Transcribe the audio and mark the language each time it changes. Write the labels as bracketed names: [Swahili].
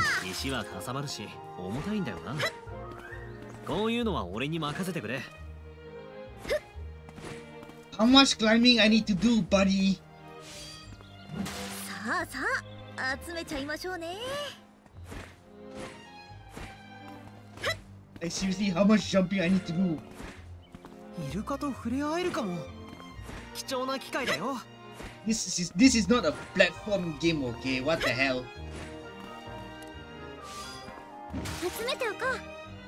[Japanese] 石はかさばるし、重たいんだよな。こういうのは俺に任せてくれ。 [English] How much climbing I need to do, buddy? [Japanese] さあさあ、集めちゃいましょうね。 [English] Seriously, how much jumping I need to do? [Japanese] イルカと触れ合えるかも。貴重な機会だよ。 [English] This is not a platform game, okay? What the hell? [Japanese] 集めておこう。